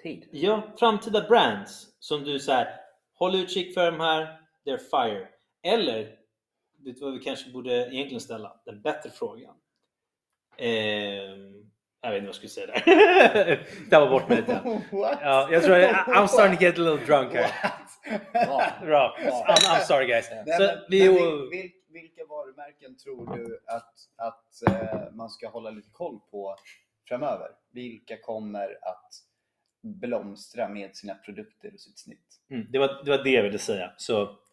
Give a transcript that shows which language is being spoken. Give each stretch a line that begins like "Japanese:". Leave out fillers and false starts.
Swedish: Ja, framtida brands som du säger, håll utkik för dem här,
English: they're fire.
Swedish: Eller, vet du vad vi kanske borde egentligen ställa, den bättre frågan. Jag vet inte vad jag skulle säga där. Det var bort med lite.
English: What?
Swedish: Ja, jag tror
English: I'm starting to get a little drunk here. Bra. I'm sorry guys.
Swedish: Men, så, vilka varumärken tror du att man ska hålla lite koll på framöver? Vilka kommer att blomstra med sina produkter och sitt snitt? Det var det jag ville säga. Så,